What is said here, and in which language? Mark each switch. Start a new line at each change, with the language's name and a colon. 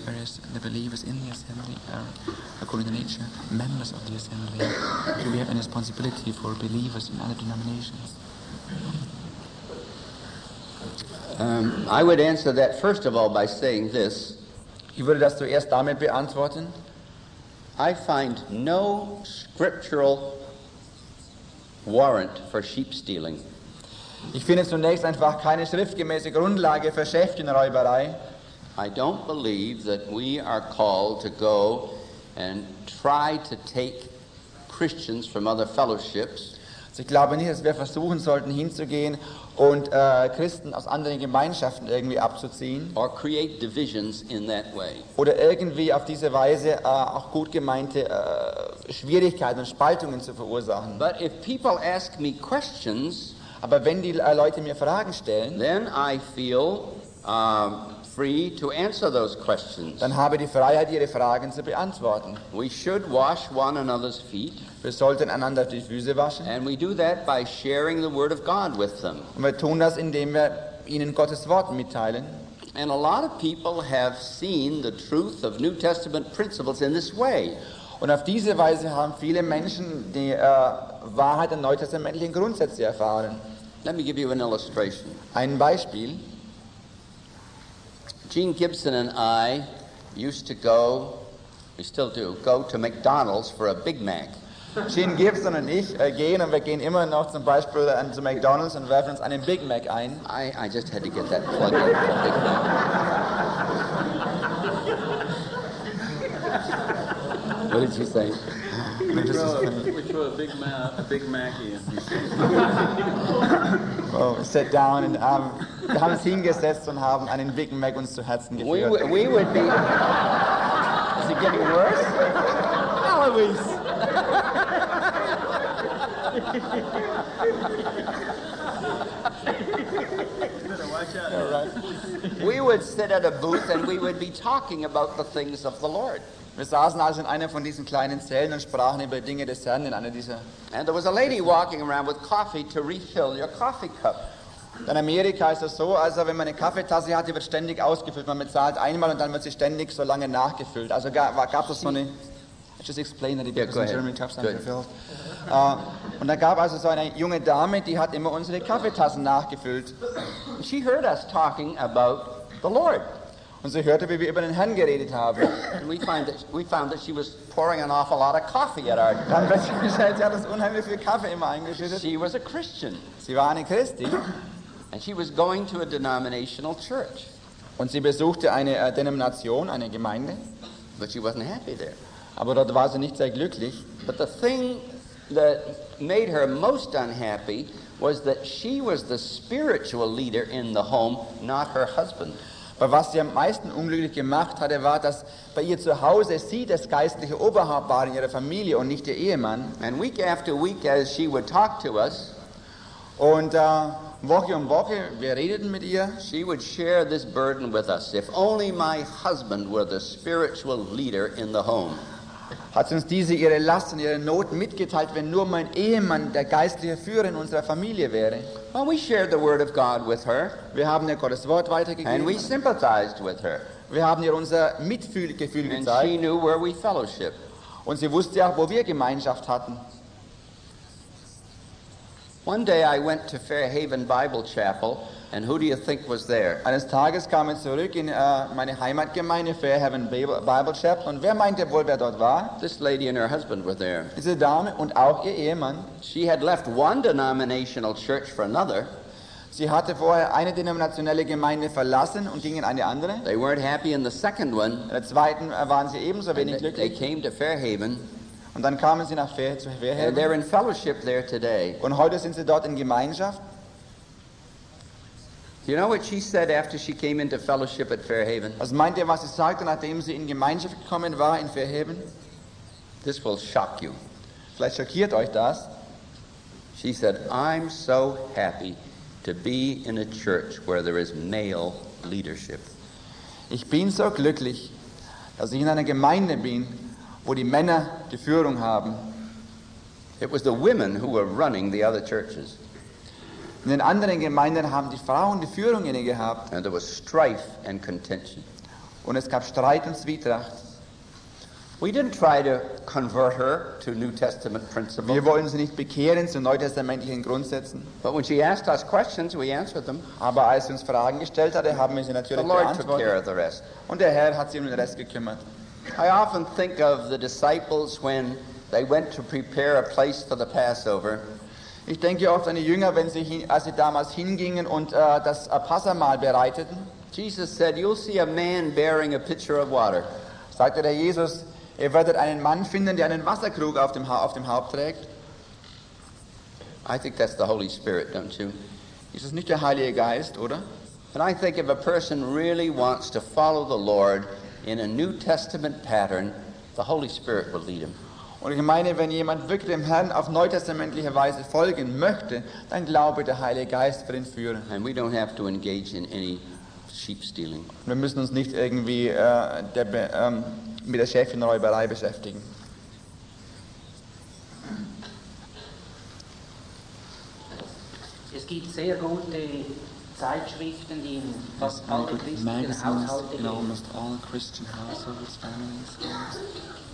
English: Whereas the believers in the assembly are, according to nature, members of the assembly. Do we have any responsibility for believers in other denominations? I would answer that first of all by saying this.
German: Ich würde das zuerst damit beantworten.
English: I find no scriptural warrant for sheep stealing.
German: Ich finde zunächst einfach keine schriftgemäße Grundlage für Schäfchenräuberei.
English: I don't believe that we are called to go and try to take Christians from other fellowships.
German: Also ich glaube nicht, dass wir versuchen sollten hinzugehen und Christen aus anderen Gemeinschaften irgendwie abzuziehen.
English: Or create divisions in that way.
German: Oder irgendwie auf diese Weise auch gut gemeinte Schwierigkeiten und Spaltungen zu verursachen.
English: But if people ask me questions,
German: aber wenn die Leute mir Fragen stellen,
English: then I feel free to answer those questions.
German: Dann habe die Freiheit, ihre Fragen zu beantworten.
English: We should wash one another's feet.
German: Wir sollten einander die Füße waschen.
English: And we do that by sharing the word of God with them.
German: Und wir tun das, indem wir ihnen Gottes Wort mitteilen.
English: And a lot of people have seen the truth of New Testament principles in this way.
German: Und auf diese Weise haben viele Menschen die Wahrheit der neutestamentlichen Grundsätze erfahren.
English: Let me give you an illustration.
German: Ein Beispiel.
English: Gene Gibson and I used to go, we still do, go to McDonald's for a Big Mac.
German: Gene Gibson und ich gehen, und wir gehen immer noch zum Beispiel zu McDonald's und werfen uns einen Big Mac ein.
English: I just had to get that plug in for Big Mac. What did you say? We sat down and
German: wir haben uns hingesetzt und haben einen Big Mac uns zu Herzen geführt.
English: We would be. Is it getting worse? Always. We would sit at a booth and we would be talking about the things of the Lord.
German: Wir saßen also in einer von diesen kleinen Zellen und sprachen über Dinge des Herrn in einer dieser.
English: And there was a lady walking around with coffee to refill your coffee cup.
German: In Amerika ist es so, also wenn man eine Kaffeetasse hat, die wird ständig ausgefüllt. Man bezahlt einmal und dann wird sie ständig so lange nachgefüllt. Also gab es so eine.
English: I just explain that it yeah, because in Germany cups are refilled.
German: Und da gab also so eine junge Dame, die hat immer unsere Kaffeetassen nachgefüllt.
English: She heard us talking about the Lord.
German: Und sie hörte, wie wir über den Herrn geredet haben.
English: And we found that she was pouring an awful lot of coffee at our.
German: Dann hat sie gesagt, sie hat das unheimlich viel Kaffee immer eingeschüttet.
English: She was a Christian.
German: Sie war eine Christin.
English: And she was going to a denominational church.
German: Und sie besuchte eine Denomination, eine Gemeinde.
English: But she wasn't happy there.
German: Aber dort war sie nicht sehr glücklich.
English: But the thing that made her most unhappy was that she was the spiritual leader in the home, not her husband.
German: Aber was sie am meisten unglücklich gemacht hatte, war, dass bei ihr zu Hause sie das geistliche Oberhaupt war in ihrer Familie und nicht ihr Ehemann.
English: And week after week, as she would talk to us,
German: und Woche um Woche, wir redeten mit ihr,
English: she would share this burden with us. If only my husband were the spiritual leader in the home.
German: Hat uns diese ihre Last und ihre Not mitgeteilt, wenn nur mein Ehemann der geistliche Führer in unserer Familie wäre.
English: Well, we shared the word of God with her.
German: Wir haben ihr Gottes Wort weitergegeben.
English: And we sympathized with her.
German: Wir haben ihr unser Mitfühlgefühl gezeigt.
English: And she knew where we fellowship.
German: Und sie wusste auch, wo wir Gemeinschaft hatten.
English: One day I went to Fairhaven Bible Chapel, and who do you think was there?
German: Eines Tages kam ich zurück in meine Heimatgemeinde Fairhaven Bible Chapel, und wer meinte wohl, wer dort war?
English: This lady and her husband were there.
German: Diese Dame und auch ihr Ehemann.
English: She had left one denominational church for another.
German: Sie hatte vorher eine denominationelle Gemeinde verlassen und ging in eine andere.
English: They weren't happy in the second one.
German: In der zweiten waren sie ebenso wenig glücklich.
English: They came to Fairhaven.
German: Und dann kamen sie nach Fairhaven.
English: And they're in fellowship there today.
German: Und heute sind sie dort in Gemeinschaft.
English: Do you know what she said after she came into fellowship at Fairhaven?
German: Was meint ihr, was sie sagte, nachdem sie in Gemeinschaft gekommen war in Fairhaven?
English: This will shock you.
German: Vielleicht schockiert euch das.
English: She said, "I'm so happy to be in a church where there is male leadership."
German: Ich bin so glücklich, dass ich in einer Gemeinde bin, wo die Männer die Führung haben.
English: It was the women who were running the other churches.
German: In den anderen Gemeinden haben die Frauen die Führung inne gehabt.
English: And there was strife and contention.
German: Und es gab Streit und Zwietracht.
English: We didn't try to convert her to New Testament principles.
German: Wir wollten sie nicht bekehren zu neutestamentlichen Grundsätzen.
English: But when she asked us questions, we answered them.
German: Aber als sie uns Fragen gestellt hatte, haben wir sie natürlich beantwortet.
English: The Lord took care of the rest.
German: Und der Herr hat sich um den Rest gekümmert.
English: I often think of the disciples when they went to prepare a place for the Passover.
German: Ich denke oft an die Jünger, wenn sie als sie damals hingingen und das Passamahl bereiteten.
English: Jesus said, "You'll see a man bearing a pitcher of water."
German: Sagte der Jesus, ihr werdet einen Mann finden, der einen Wasserkrug auf dem Haupt trägt.
English: I think that's the Holy Spirit, don't you?
German: Ist es nicht der Heilige Geist, oder?
English: And I think if a person really wants to follow the Lord in a New Testament pattern, the Holy Spirit will lead him.
German: Und ich meine, wenn jemand wirklich dem Herrn auf neutestamentliche Weise folgen möchte, dann glaube der Heilige Geist wird ihn führen.
English: And we don't have to engage in any sheep stealing.
German: Wir müssen uns nicht irgendwie mit der Schäfchenräuberei beschäftigen. Es gibt sehr gute Zeitschriften, die in fast alle christlichen Haushalte gehen.